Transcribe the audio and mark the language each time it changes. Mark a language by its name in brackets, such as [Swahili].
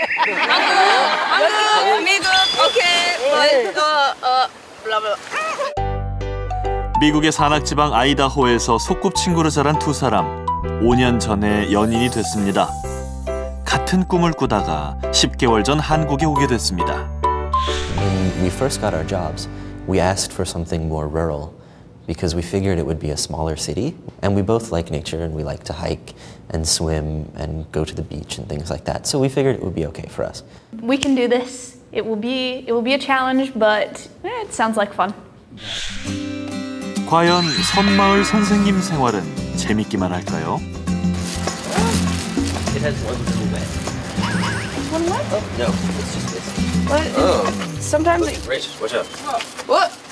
[Korean] 한국, 오케이. 미국의 산악지방 아이다호에서 소꿉친구로 자란 두 사람. 5년 전에 연인이 됐습니다. 같은 꿈을 꾸다가 10개월 전 한국에 오게 됐습니다. [English] When we first got our jobs, we asked for something more rural because we figured it would be a smaller city. And we both like nature and we like to hike and swim and go to the beach and things like that. So we figured it would be okay for us. We can do this. It will be a challenge, but it sounds like fun. [Korean] 과연 섬마을 선생님 생활은 재밌기만 할까요? [English] It has one little way. One way? Oh, no, it's just this. What? Oh. Sometimes it... Rachel, watch out. What?